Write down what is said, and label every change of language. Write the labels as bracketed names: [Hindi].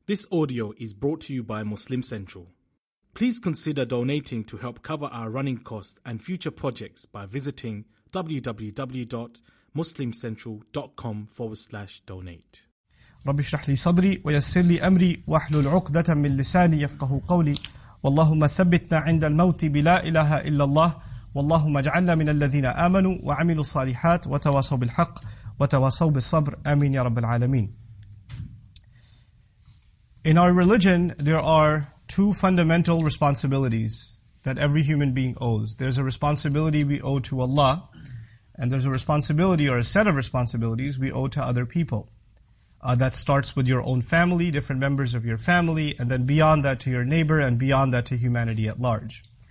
[English] This audio is brought to you by Muslim Central. Please consider donating to help cover our running costs and future projects by visiting www.muslimcentral.com/donate. [Arabic] رب اشرح لي صدري ويسر لي امري واحلل عقدة من لساني يفقهوا قولي واللهم ثبتنا عند الموت بلا اله الا الله واللهم اجعلنا من الذين امنوا وعملوا الصالحات وتواصوا بالحق وتواصوا بالصبر امين يا رب العالمين. [English] In our religion, there are two fundamental responsibilities that every human being owes. There's a responsibility we owe to Allah, and there's a responsibility or a set of responsibilities we owe to other people. That starts with your own family, different members of your family, and then beyond that to your neighbor, and beyond that to humanity at large.